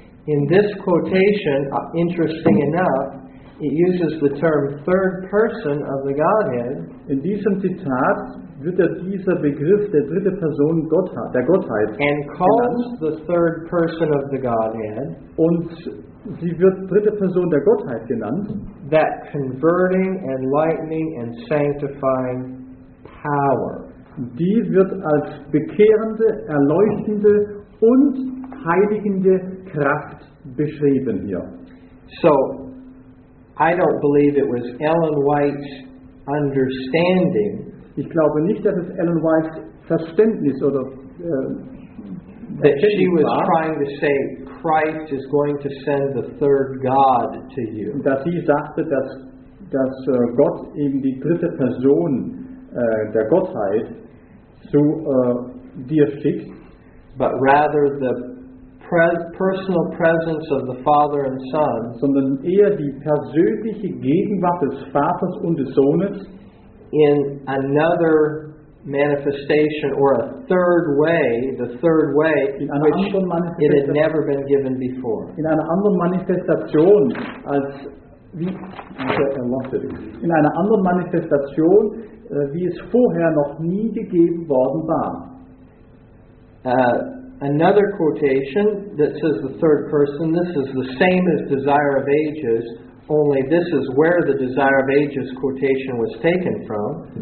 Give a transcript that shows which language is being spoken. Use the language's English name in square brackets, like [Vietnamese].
[English] In this quotation, interesting enough, it uses the term third person of the Godhead. [German] In diesem Zitat wird dieser Begriff der dritte Person der Gottheit [English] and calls the third person of the Godhead, [German] und sie wird dritte Person der Gottheit genannt, [English] that converting, enlightening and sanctifying power. [German] Die wird als bekehrende, erleuchtende und heiligende Kraft beschrieben hier. [English] So, I don't believe it was Ellen White's understanding. [German] Ich glaube nicht, dass es Ellen White's Verständnis oder [English] that she was trying to say Christ is going to send the third God to you. [German] Dass sie sagte, dass Gott eben die dritte Person der Gottheit zu dir schickt, [English] but rather the personal presence of the Father and Son, [German] sondern eher die persönliche Gegenwart des Vaters und des Sohnes [English] in another manifestation or a third way, the third way in which it had never been given before. [German] In einer anderen Manifestation als wie wanted, in einer anderen Manifestation wie es vorher noch nie gegeben worden war. [English] Another quotation that says the third person, this is the same as Desire of Ages, only this is where the Desire of Ages quotation was taken from.